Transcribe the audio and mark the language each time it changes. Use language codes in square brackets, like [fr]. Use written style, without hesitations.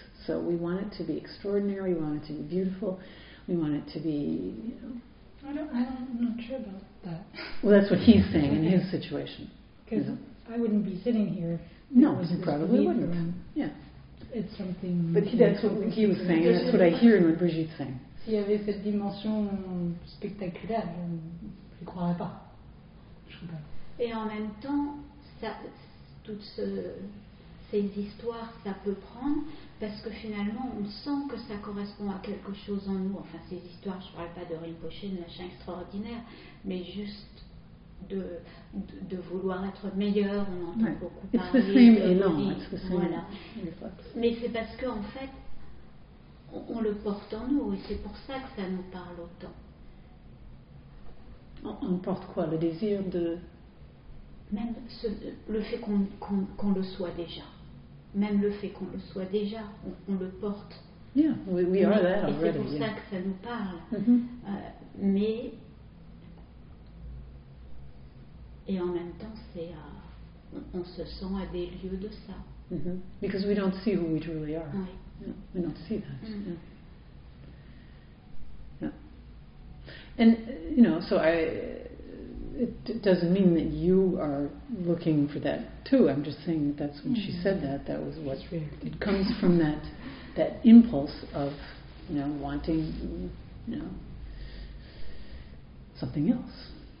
[en] So we want it to be extraordinary, we want it to be beautiful, we want it to be, you know. I'm not sure about that. Well, that's what he's saying in his situation. Because I wouldn't be sitting here. No, he probably wouldn't. Yeah. It's something. But that's what he was saying, and that's what I hear in what Brigitte's saying. [fr] S'il y avait cette dimension spectaculaire, je ne croirais pas. Et en même temps, ça, toutes ces histoires, ça peut prendre, parce que finalement, on sent que ça correspond à quelque chose en nous. Enfin, ces histoires, je ne parle pas de Rinpoche, de machin extraordinaire, mais juste de vouloir être meilleur, on entend beaucoup parler. [en] It's the same élan, it's the same. [fr] Voilà. Mais c'est parce qu'en fait, on le porte en nous, et c'est pour ça que ça nous parle autant. On porte quoi? Le désir de... Même le fait qu'on le soit déjà. Même le fait qu'on le soit déjà, on le porte. [en] Yeah, we are that already. [fr] Et c'est pour ça que ça nous parle. Mm-hmm. Mais Et en même temps, c'est on se sent à des lieux de ça. Mm-hmm. [en] Because we don't see who we truly are. [fr] Oui. [en] We don't see that. Mm-hmm. And, you know, so it doesn't mean that you are looking for that too. I'm just saying that that's when mm-hmm. she said that, that was what it comes from, that impulse of, you know, wanting, you know, something else.